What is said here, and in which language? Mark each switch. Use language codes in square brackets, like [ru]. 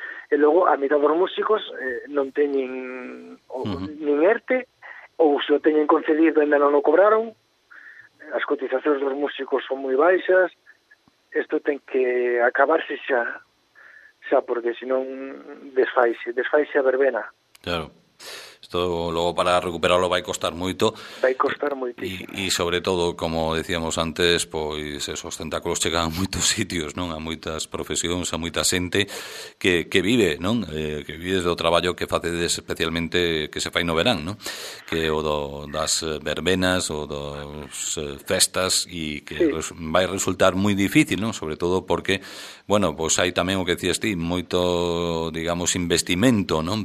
[gl] E logo, a mitad dos músicos non teñen nin ERTE, ou se o teñen concedido, ainda non o cobraron, as cotizacións dos músicos son moi baixas, isto ten que acabarse xa, xa, porque senón desfaise a verbena. [es] Claro. Esto luego para recuperarlo va a costar moito. Va a costar moitísimo. Y sobre todo, como decíamos antes, pues esos tentáculos [gl] chegan a moitos sitios, [es] ¿no? [gl] A moitas profesións, a moita xente que vive, ¿no? Que vive do traballo que facedes especialmente, que se fai no verán, ¿no? Que o das verbenas ou das festas e que vai resultar moi difícil, ¿no? Sobre todo porque, bueno, pues hai tamén o que decías ti, moito, digamos, investimento, ¿no?